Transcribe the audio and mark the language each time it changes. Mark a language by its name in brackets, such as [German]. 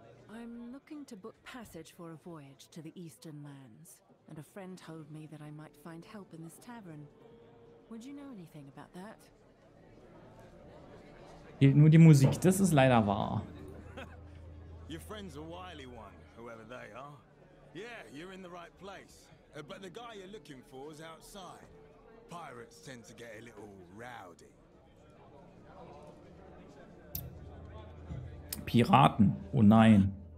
[English] I'm looking to book passage for a voyage to the Eastern Lands. And a friend told me that I might find help in this tavern. Would you know anything about that? [German] Hier nur die Musik, das ist leider wahr. [English] Your friend's a wily one, whoever they are. Yeah, you're in the right place. But the guy you're looking for is outside. Pirates tend to get a little rowdy. [German] Piraten? Oh nein.